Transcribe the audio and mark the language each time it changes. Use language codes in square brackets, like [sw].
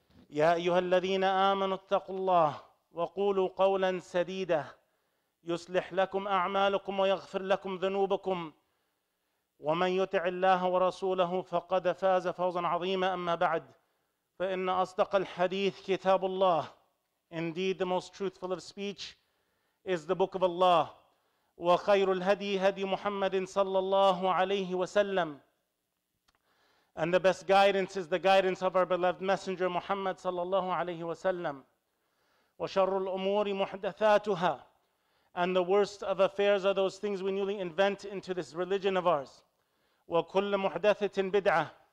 [ar] يا أيها الذين آمنوا اتقوا الله وقولوا قولا سديدا يصلح لكم أعمالكم ويغفر لكم ذنوبكم ومن يطع الله ورسوله فقد فاز فوزا عظيما. أما بعد فإن أصدق الحديث كتاب الله. [en] Indeed the most truthful of speech is the book of Allah. [ar] وخير الهدي هدي محمد صلى الله عليه وسلم. [en] And the best guidance is the guidance of our beloved messenger Muhammad صلى الله عليه وسلم. [ar] وشر الأمور محدثاتها. [en] And the worst of affairs are those things we newly invent into this religion of ours. [ar] وكل محدثة بدعة.